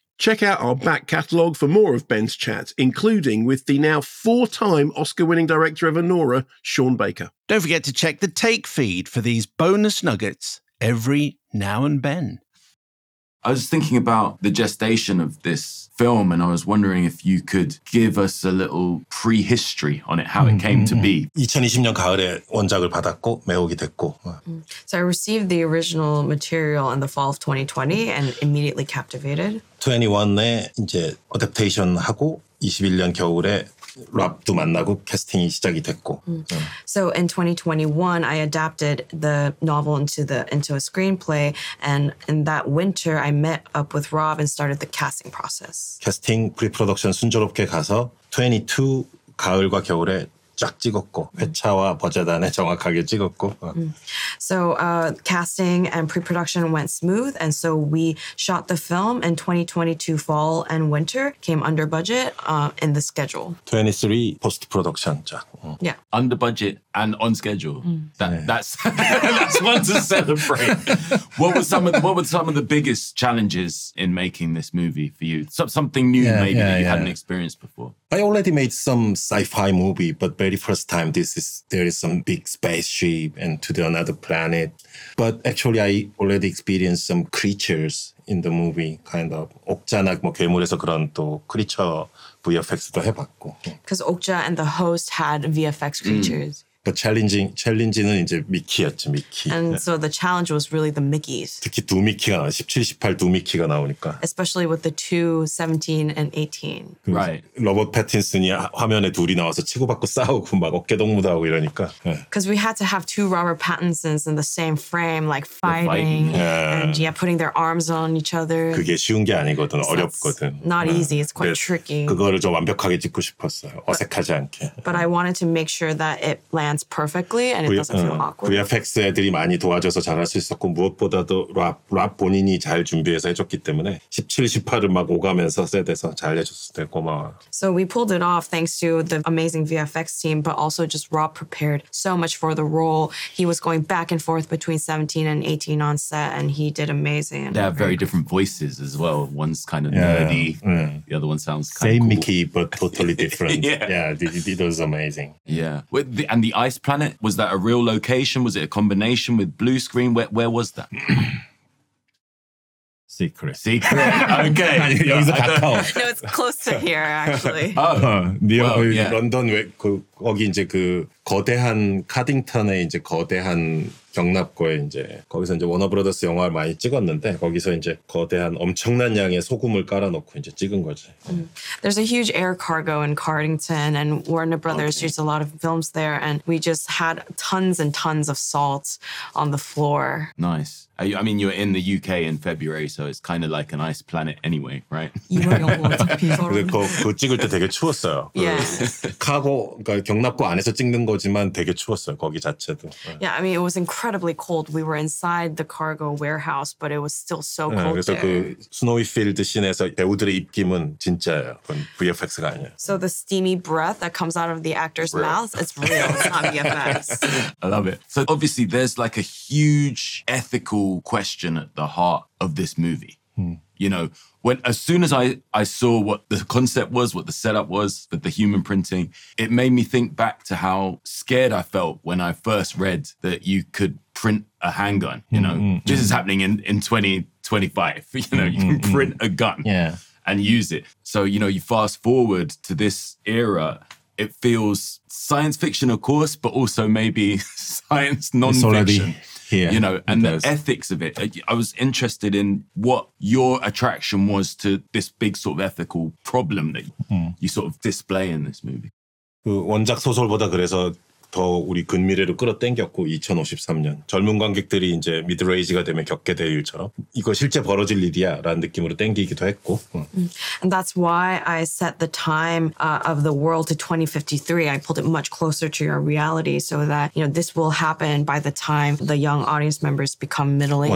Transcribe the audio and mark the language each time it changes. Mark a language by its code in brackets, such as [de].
[en] Check out our back catalogue for more of Ben's chat, including with the now four-time Oscar-winning director of Anora, Sean Baker. Don't forget to check the take feed for these bonus nuggets every Now and Ben. I was thinking about the gestation of this film, and I was wondering if you could give us a little prehistory on it, how it came to be. [ko] 2020년 가을에 원작을 받았고 매혹이 됐고. [en] So I received the original material in the fall of 2020 and immediately captivated. [ko] 21에 이제 어댑테이션 하고 21년 겨울에 랍도 만나고 캐스팅이 시작이 됐고. [en] So in 2021, I adapted the novel into a screenplay, and in that winter, I met up with Rob and started the casting process. [ko] 캐스팅 프리프로덕션 순조롭게 가서 22 가을과 겨울에 쫙 찍었고 회차와 버젯안에 정확하게 찍었고. [en] So casting and pre-production went smooth, and so we shot the film in 2022 fall and winter, came under budget in the schedule. 23 post-production. Yeah. Under budget and on schedule. That's one to celebrate. What were some of the biggest challenges in making this movie for you? Something new that you hadn't experienced before. I already made some sci-fi movie, but very first time there is some big spaceship and to another planet. But actually, I already experienced some creatures in the movie, kind of. [ko] 옥자나 뭐 괴물에서 그런 또 크리처 VFX도 해봤고. [en] Because Okja and the host had VFX creatures. But challenging [ko] 는 이제 미키였지, 미키. [en] And so the challenge was really the Mickeys. [ko] 특히 두 미키가 17, 18 두 미키가 나오니까. [en] Especially with the two 17 and 18. Right. [ko] 로버트 패틴슨이 화면에 둘이 나와서 치고받고 싸우고 막 어깨동무도 하고 이러니까. [en] Because we had to have two Robert Pattinsons in the same frame, like fighting. And yeah, putting their arms on each other. [ko] 그게 쉬운 게 아니거든, 어렵거든. [en] Not easy, it's quite tricky. [ko] 그거를 좀 완벽하게 찍고 싶었어요, 어색하지 않게. [en] But I wanted to make sure that it lands perfectly and it doesn't feel awkward. [ko] VFX 애들이 많이 도와줘서 잘할 수 있었고 무엇보다도 랍 본인이 잘 준비해서 해줬기 때문에 17, 18을 막 오가면서 세대에서 잘 해줬을 때 고마워. [en] So we pulled it off thanks to the amazing VFX team, but also just Rob prepared so much for the role. He was going back and forth between 17 and 18 on set, and he did amazing. They have very different voices as well. One's kind of nerdy. Yeah. The other one sounds kind same of cool. Mickey, but totally different. it was amazing. Yeah. And the ice planet, was that a real location? Was it a combination with blue screen? Where was that? Secret. Okay. No, it's close to here, actually. Oh, well, yeah. [ko] London, 거기 이제 그 거대한 카딩턴의 이제 거대한 경납고에 이제 거기서 이제 워너브라더스 영화를 많이 찍었는데 거기서 이제 거대한 엄청난 양의 소금을 깔아놓고 이제 찍은 거지. [en] There's a huge air cargo in Cardington, and Warner Brothers used a lot of films there, and we just had tons and tons of salt on the floor. Nice. You're in the UK in February, so it's kind of like an ice planet anyway, right? [ko] 그 찍을 때 되게 추웠어요. [en] Yeah. [ko] 카고 경납고 안에서 찍는 거지만 되게 추웠어요, 거기 자체도. [en] Yeah, I mean, it was incredibly cold. We were inside the cargo warehouse, but it was still so cold. [ko] 그래서 [en] there. [ko] 그 스노이 필드 씬에서 배우들의 입김은 진짜예요. 그건 VFX가 아니에요. [en] So the steamy breath that comes out of the actor's mouth, it's real, it's not VFX. I love it. So obviously, there's like a huge ethical question at the heart of this movie. You know, as soon as I saw what the concept was, what the setup was for the human printing, it made me think back to how scared I felt when I first read that you could print a handgun. You know, this is happening in 2025. You know, you can print a gun and use it. So, you know, you fast forward to this era, it feels science fiction, of course, but also maybe science non-fiction. Here, you know, and the ethics of it. I was interested in what your attraction was to this big sort of ethical problem that you sort of display in this movie. [ko] 그 원작 소설보다 그래서 더 우리 근 미래를 끌어당겼고 2053년 젊은 관객들이 이제 미들에이지가 되면 겪게 될 일처럼 이거 실제 벌어질 일이야 라는 느낌으로 당기기도 했고 [en] And that's why I set the time of the world to 2053. I pulled it much closer to your reality so that you know this will happen by the time the young audience members become middle-aged.